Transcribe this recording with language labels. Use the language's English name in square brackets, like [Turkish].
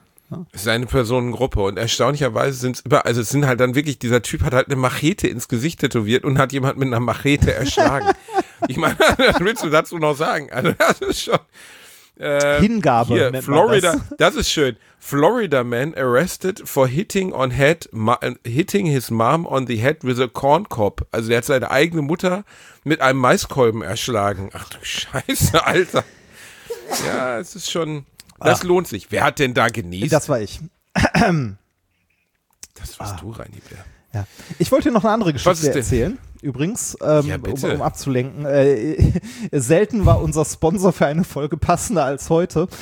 [German] Ja? Es ist eine Personengruppe und erstaunlicherweise sind es über, also es sind halt dann wirklich, dieser Typ hat halt eine Machete ins Gesicht tätowiert und hat jemand mit einer Machete erschlagen. Ich meine, was willst du dazu noch sagen? Also das ist schon... Hingabe. Hier, Florida, das ist schön. [English] Florida man arrested for hitting his mom on the head with a corn cob. [German] Also der hat seine eigene Mutter mit einem Maiskolben erschlagen. Ach du Scheiße, Alter. Ja, es ist schon, das lohnt sich. Wer hat denn da genießt? Das war ich. Das warst du, Reini Bär. Ja. Ich wollte dir noch eine andere Geschichte erzählen. Übrigens, um abzulenken, selten war unser Sponsor für eine Folge passender als heute.